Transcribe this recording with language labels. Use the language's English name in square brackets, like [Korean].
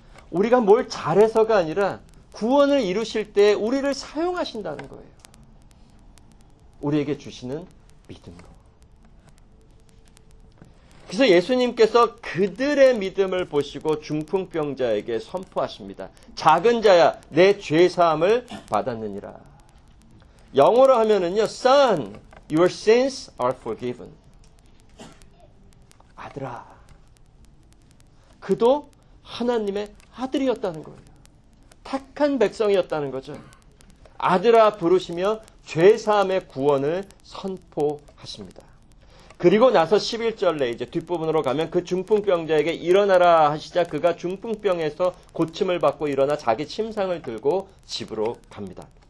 [Korean] 우리가 뭘 잘해서가 아니라 구원을 이루실 때 우리를 사용하신다는 거예요. 우리에게 주시는 믿음으로. 그래서 예수님께서 그들의 믿음을 보시고 중풍병자에게 선포하십니다. 작은 자야, 내 죄사함을 받았느니라. 영어로 하면은요, [English] Son, your sins are forgiven. [Korean] 아들아, 그도 하나님의 아들이었다는 거예요. 택한 백성이었다는 거죠. 아들아 부르시며 죄사함의 구원을 선포하십니다. 그리고 나서 11절에 이제 뒷부분으로 가면 그 중풍병자에게 일어나라 하시자 그가 중풍병에서 고침을 받고 일어나 자기 침상을 들고 집으로 갑니다.